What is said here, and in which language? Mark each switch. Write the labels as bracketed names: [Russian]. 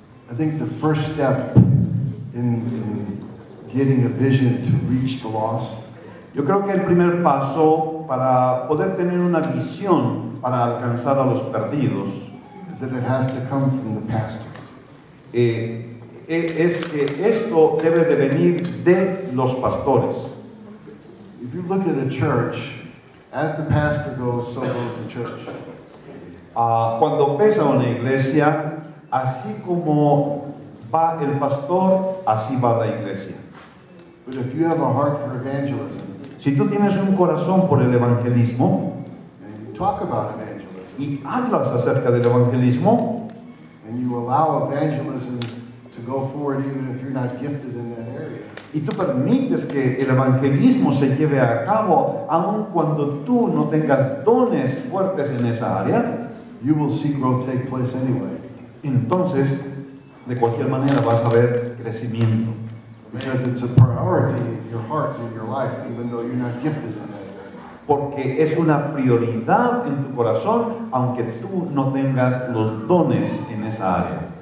[English] I think the first step in getting a vision to reach the lost. [Spanish] Yo creo que el primer paso para poder tener una visión para alcanzar a los perdidos [English] is that it has to come from the pastor. [Spanish] Es que esto debe de venir de los pastores. [English] If you look at the church, as the pastor goes, so goes the church. [Spanish] Cuando ves a una iglesia, así como va el pastor, así va la iglesia. [English] But if you have a heart for evangelism, [Spanish] si tú tienes un corazón por el evangelismo, [English] and you talk about evangelism, [Spanish] y hablas acerca del evangelismo, [English] and you allow evangelism to go forward even if you're not gifted in that area. [Spanish] Y tú permites que el evangelismo se lleve a cabo aun cuando tú no tengas dones fuertes en esa área. [English] You will see growth take place anyway. [Spanish] Entonces, de cualquier manera vas a ver crecimiento. [English] Because it's a priority in your heart and in your life even though you're not gifted in that area. [Spanish] Porque es una prioridad en tu corazón aunque tú no tengas los dones en esa área.